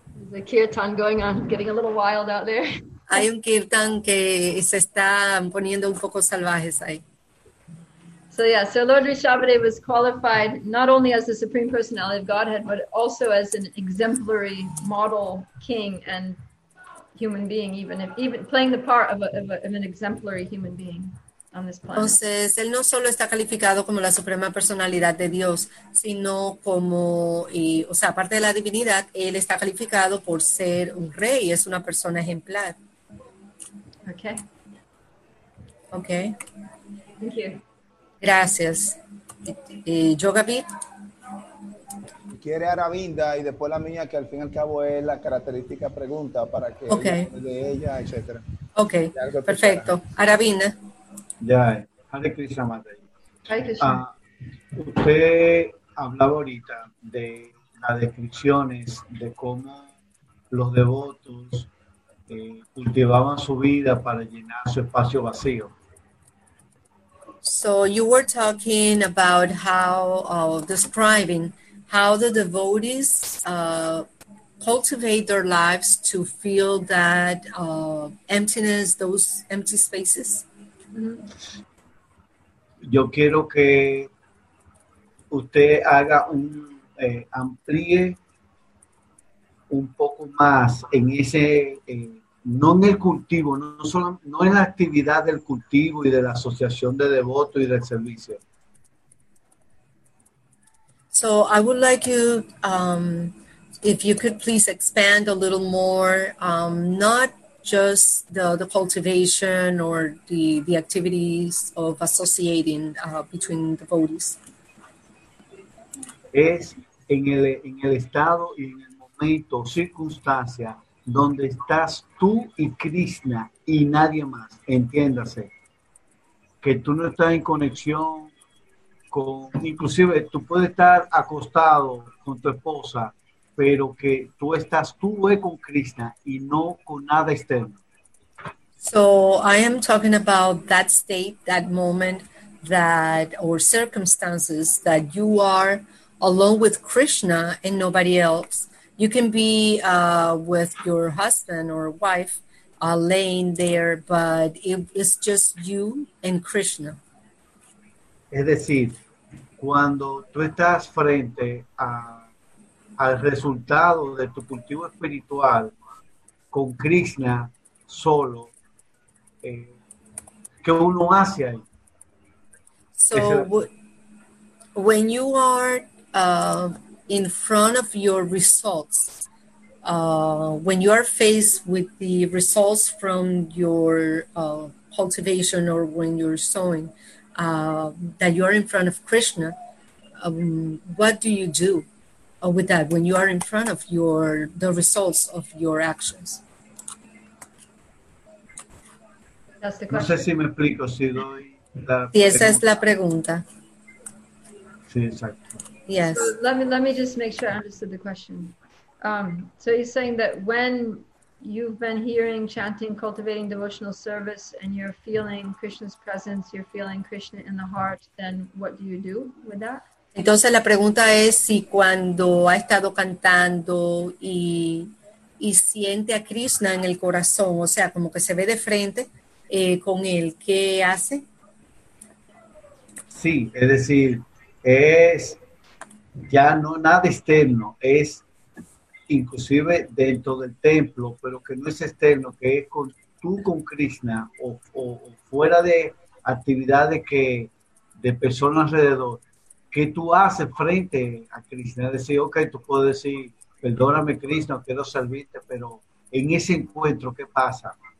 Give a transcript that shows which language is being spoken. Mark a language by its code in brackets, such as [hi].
[en] There's a kirtan going on, getting a little wild out there. [es] Hay un kirtan que se está poniendo un poco salvajes ahí. [en] So yeah, so Lord Rishabhadev was qualified not only as the Supreme Personality of Godhead, but also as an exemplary model king and human being, even playing the part of an exemplary human being on this planet. [es] Entonces, él no solo está calificado como la Suprema Personalidad de Dios, sino como, o sea, aparte de la divinidad, él está calificado por ser un rey, es una persona ejemplar. [en] Okay. Okay. Thank you. [es] Gracias. Yogavit. Quiere Aravinda y después la mía, que al fin y al cabo es la característica pregunta para que [en] okay. [es] de ella, etcétera. Ok, perfecto. Pensará. Aravinda. Ya, Hare Krishna Mata. Hare Krishna. Usted hablaba ahorita de las descripciones de cómo los devotos cultivaban su vida para llenar su espacio vacío. [en] So you were talking about how, describing how the devotees cultivate their lives to fill that emptiness, those empty spaces. Mm-hmm. [es] Yo quiero que usted haga un amplíe un poco más en ese no en el cultivo, no solo, no en la actividad del cultivo y de la asociación de devotos y del servicio. [en] So I would like you, if you could please expand a little more, not just the cultivation or the activities of associating between devotees. [es] Es en el estado y en el momento, circunstancia, donde estás tú y Krishna y nadie más, entiéndase, que tú no estás en conexión con, inclusive tú puedes estar acostado con tu esposa, pero que tú estás tú con Krishna y no con nada externo. [en] So I am talking about that state, that moment, that or circumstances that you are alone with Krishna and nobody else. You can be with your husband or wife laying there, but it's just you and Krishna. [es] Es decir, cuando tú estás frente a, al resultado de tu cultivo espiritual con Krishna solo, ¿qué uno hace ahí? [en] So, when you are in front of your results, when you are faced with the results from your cultivation or when you're sowing, that you are in front of Krishna, what do you do with that when you are in front of your the results of your actions? That's the question. [es] No sé si me explico, si doy... Y esa es la pregunta. Sí, exacto. [en] Yes. So let me just make sure I understood the question. So you're saying that when you've been hearing, chanting, cultivating devotional service, and you're feeling Krishna's presence, you're feeling Krishna in the heart, then what do you do with that? [es] Entonces la pregunta es si cuando ha estado cantando y siente a Krishna en el corazón, o sea, como que se ve de frente con él, ¿qué hace? Sí, es decir, es ya no nada externo, es inclusive dentro del templo, pero que no es externo, que es con tú con Krishna o fuera de actividades que de personas alrededor, ¿qué tú haces frente a Krishna? Es decir, ok, tú puedes decir, perdóname Krishna, quiero servirte, pero en ese encuentro, ¿qué pasa?